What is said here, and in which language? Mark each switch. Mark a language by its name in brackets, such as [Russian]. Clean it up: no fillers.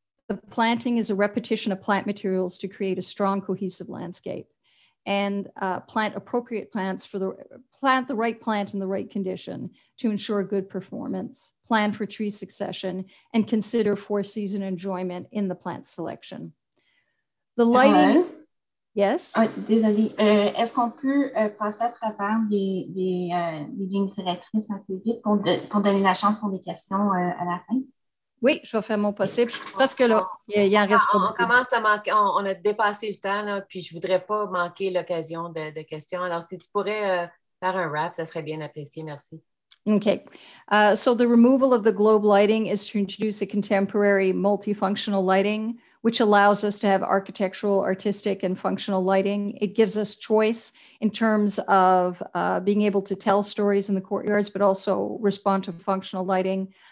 [English] The planting is a repetition of plant materials to create a strong cohesive landscape and plant appropriate plants for the, plant the right plant in the right condition to ensure good performance, plan for tree succession, and consider four season enjoyment in the plant selection. The lighting, yes? [French] Est-ce qu'on peut passer à travers les lignes directrices un peu vite pour donner la chance pour des questions à la fin? Oui, je vais faire mon possible parce que là, il y en reste pas beaucoup. On commence à manquer, on a dépassé le temps, là, puis je ne voudrais pas manquer l'occasion de questions. Alors, si tu pourrais faire un wrap, ça serait bien apprécié. Merci. [English] OK. So the removal of the globe lighting is to introduce a contemporary multifunctional lighting, which allows us to have architectural, artistic, and functional lighting. It gives us choice in terms of being able to tell stories in the courtyards, but also respond to functional lighting.